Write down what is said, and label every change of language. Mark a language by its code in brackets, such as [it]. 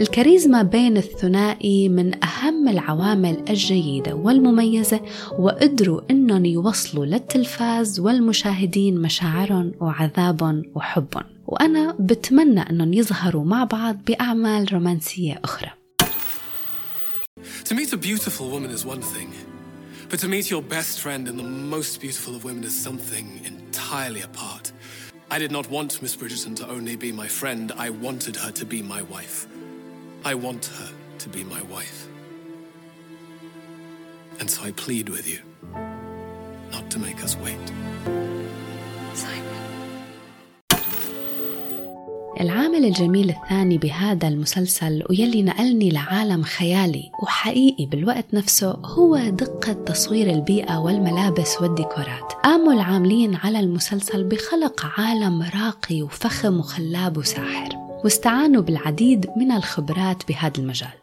[ar] الكاريزما بين الثنائي من أهم العوامل الجيدة والمميزة، وقدروا أنهم يوصلوا للتلفاز والمشاهدين مشاعرهم وعذابهم وحبهم، وأنا بتمنى أنهم يظهروا مع بعض بأعمال رومانسية أخرى. [en] To meet a beautiful woman is one thing, but to meet your best friend and the most beautiful of women is something entirely apart. I did not want Miss Bridgerton to only be my friend, I wanted her to be my wife. I want her to be my wife. And so I plead with you not to make us wait. [ar] العامل الجميل الثاني بهذا المسلسل ويلي نقلني لعالم خيالي وحقيقي بالوقت نفسه هو دقة تصوير البيئة والملابس والديكورات. قاموا العاملين على المسلسل بخلق عالم راقي وفخم وخلاب وساحر، واستعانوا بالعديد من الخبرات بهذا المجال.